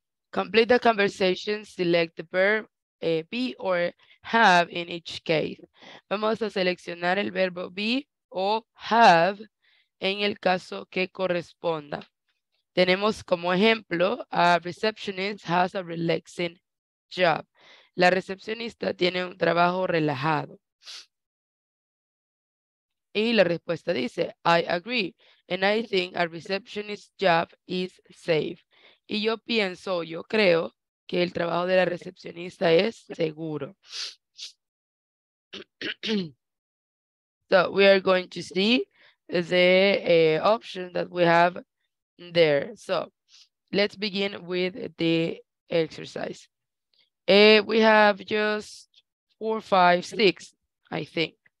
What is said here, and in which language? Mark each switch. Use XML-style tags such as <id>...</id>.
<en>Complete the conversation, select the verb be or have in each case.</en> <es>Vamos a seleccionar el verbo be o have en el caso que corresponda. Tenemos como ejemplo,</es> <en>a receptionist has a relaxing job.</en> <es>La recepcionista tiene un trabajo relajado. Y la respuesta dice,</es> <en>I agree, and I think a receptionist job is safe.</en> <es>Y yo pienso, yo creo, que el trabajo de la recepcionista es seguro.</es> <en>So, we are going to see the option that we have there. So, let's begin with the exercise. We have just 4, 5, 6, I think.</en>